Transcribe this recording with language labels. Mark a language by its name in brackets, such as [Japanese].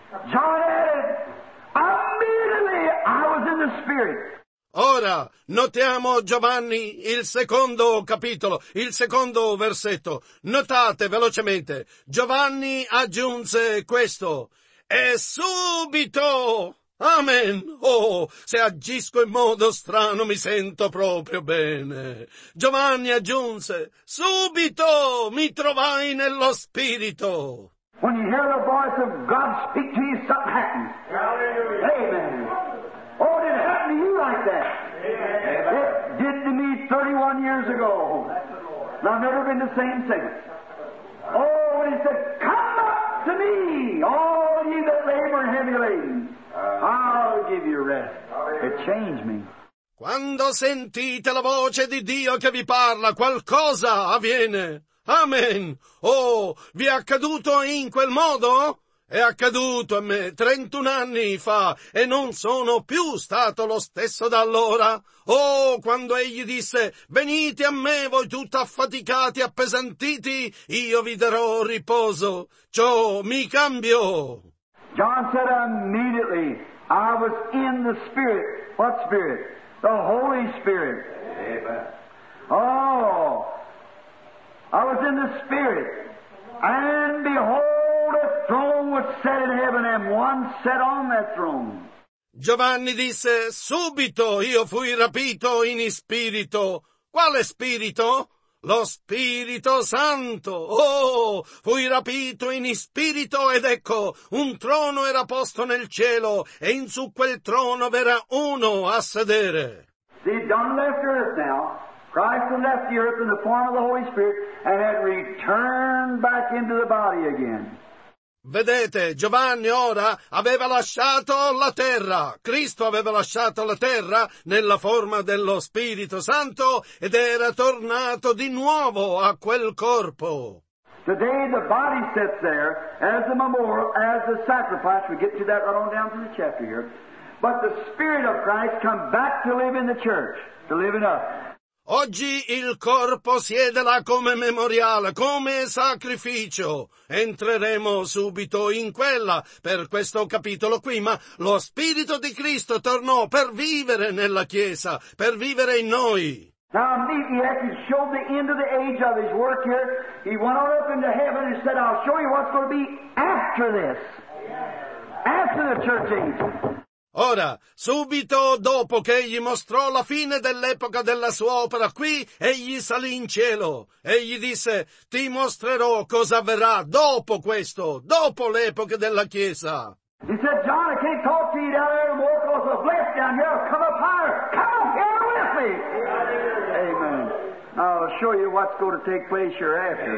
[English] John added, immediately, I was in the Spirit. [Italian] Ora, notiamo Giovanni, il secondo capitolo, il secondo versetto. Notate velocemente, Giovanni aggiunse questo, e subito... Amen. Oh, se agisco in modo strano mi sento proprio bene. Giovanni aggiunse, subito mi trovai nello spirito. [English] When you hear the voice of God speak to you, something happens. Hallelujah. Amen. Oh, did it happen to you like that? Amen. It did to me 31 years ago. And I've never been the same since. Oh, when he said, come up to me, all ye that labor and heavy laden. I'll give you rest. It changed me. [Italian] Quando sentite la voce di Dio che vi parla, qualcosa avviene. Amen. Oh, vi è accaduto in quel modo? È accaduto a me 31 anni fa e non sono più stato lo stesso da allora. Oh, quando egli disse, venite a me voi tutti affaticati, appesantiti, io vi darò riposo. Ciò mi cambiò. [English] John said, immediately, I was in the Spirit. What Spirit? The Holy Spirit. Amen. Oh, I was in the Spirit. And behold, a throne was set in heaven, and one sat on that throne. [Italian] Giovanni disse, subito io fui rapito in spirito. Quale spirito? Lo Spirito Santo, oh, fui rapito in spirito ed ecco, un trono era posto nel cielo e in su quel trono v'era uno a sedere. [English] See, John left earth now. Christ had left the earth in the form of the Holy Spirit and had returned back into the body again. [Italian] Vedete, Giovanni ora aveva lasciato la terra. Cristo aveva lasciato la terra nella forma dello Spirito Santo ed era tornato di nuovo a quel corpo. [English] Today the body sits there as a memorial, as a sacrifice. We get to that right on down to the chapter here. But the Spirit of Christ come back to live in the church, to live in us. [Italian] Oggi il corpo siede là come memoriale, come sacrificio. Entreremo subito in quella per questo capitolo qui, ma lo Spirito di Cristo tornò per vivere nella Chiesa, per vivere in noi. [English] Now Ezechiel showed the end of the age of his work here. He went on up into heaven and said, I'll show you what's going to be after this. After the church age. [Italian] Ora, subito dopo che egli mostrò la fine dell'epoca della sua opera qui, egli salì in cielo. Egli disse, ti mostrerò cosa avverrà dopo questo, dopo l'epoca della Chiesa. [English] He said, John, I can't talk to you down there anymore because of bliss down here. Come up higher. Come up here with me. Amen. I'll show you what's going to take place hereafter.